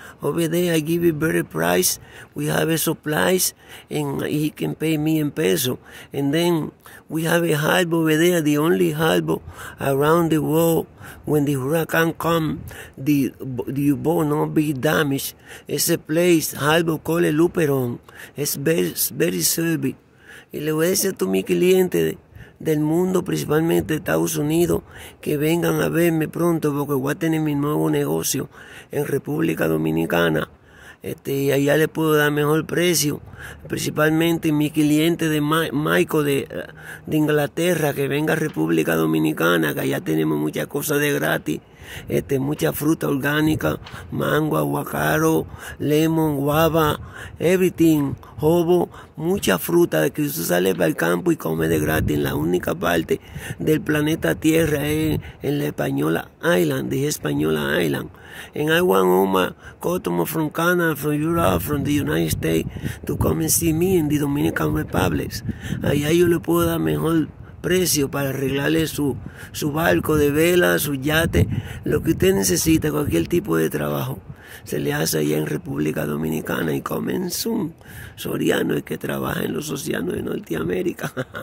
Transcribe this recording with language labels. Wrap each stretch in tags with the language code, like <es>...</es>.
<en>Over there I give a better price. We have a supplies and he can pay me in peso. And then we have a harbor over there, the only harbor around the world. When the hurricane come, the boat not be damaged. It's a place, harbor called El Luperón. It's very service.</en> <es>Y le voy a decir a todos mis clientes del mundo, principalmente de Estados Unidos, que vengan a verme pronto porque voy a tener mi nuevo negocio en República Dominicana. Y allá le puedo dar mejor precio, principalmente mi cliente de Michael de Inglaterra, que venga a República Dominicana, que allá tenemos muchas cosas de gratis, mucha fruta orgánica, mango, aguacaro,</es> <en>lemon, guava, everything,</en> <es>hobo, mucha fruta, que usted sale para el campo y come de gratis. La única parte del planeta Tierra es en la Española Island, dije Española Island.</es> <en>And I want all my customers from Canada, from Europe, from the United States to come and see me in the Dominican Republic.</en> <es>Allá yo le puedo dar mejor precio para arreglarle su barco de vela, su yate, lo que usted necesita, cualquier tipo de trabajo. Se le hace allá en República Dominicana y comenzó un soriano que trabaja en los océanos de Norteamérica.</es>